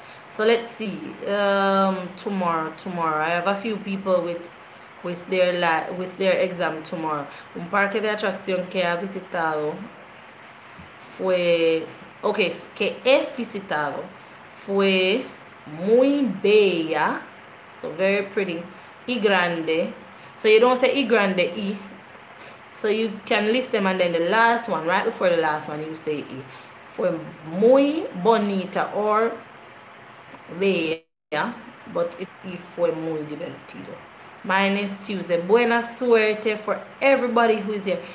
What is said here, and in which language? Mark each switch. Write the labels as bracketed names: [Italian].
[English] So let's see. Tomorrow. I have a few people with with their exam tomorrow. [Spanish] Un parque de atracción que ha visitado fue, okay, que he visitado fue muy bella, [English] so very pretty, [Spanish] y grande. [English] So you don't say [Spanish] y grande y. [English] So you can list them and then the last one, right before the last one, you say y. [Spanish] Fue muy bonita or bella, but y fue muy divertido. [English] My name is Tuesday. [Spanish] Buena suerte [English] for everybody who is here.